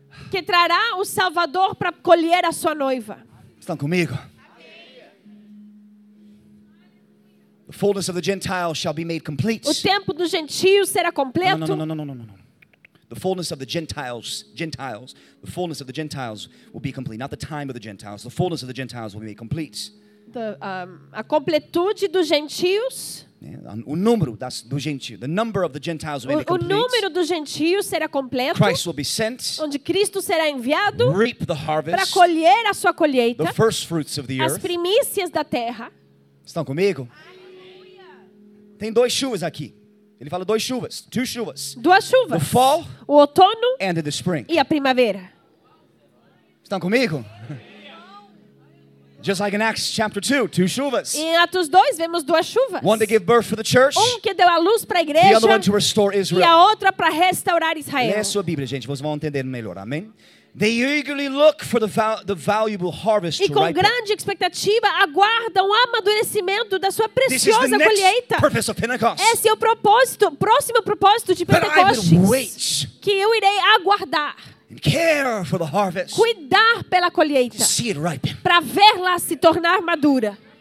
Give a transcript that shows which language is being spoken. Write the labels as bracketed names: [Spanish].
[Portuguese] Que trará o Salvador para colher a sua noiva. Estão comigo? [English] The fullness of the Gentiles shall be made complete. [Portuguese] O tempo dos gentios será completo. [English] No. The fullness of the Gentiles. The fullness of the Gentiles will be complete. Not the time of the Gentiles. The fullness of the Gentiles will be made complete. [Portuguese] A completude dos gentios. O número dos gentios. [English] The number of the Gentiles will be complete. [Portuguese] O número dos gentios será completo. [English] Christ will be sent. [Portuguese] Onde Cristo será enviado. [English] Reap the harvest. [Portuguese] Para colher a sua colheita. [English] The first fruits of the earth. [Portuguese] As primícias da terra. Estão comigo? Tem dois chuvas aqui. Ele fala dois chuvas. Two chuvas. Duas chuvas. [English] The fall. [Portuguese] O outono. [English] And the spring. [Portuguese] E a primavera. Estão comigo? [English] Just like in Acts chapter 2, two chuvas. [Portuguese] Em Atos 2 vemos duas chuvas. [English] One to give birth for the church. [Portuguese] Um que deu a luz para a igreja. [English] The other one to restore Israel. [Portuguese] E a outra para restaurar Israel. Lê a sua Bíblia, gente. Vocês vão entender melhor. Amém? [English] They eagerly look for the valuable harvest to ripen. [Portuguese] E com grande expectativa aguardam o amadurecimento da sua preciosa colheita. [English] This is the next purpose of Pentecost. [Portuguese] Esse é o propósito, próximo propósito de Pentecostes. [English] But I will wait. [Portuguese] Que eu irei aguardar. [English] And care for the harvest. [Portuguese] Cuidar pela colheita. [English] To see it ripen. [Portuguese] Para vê-la se tornar madura.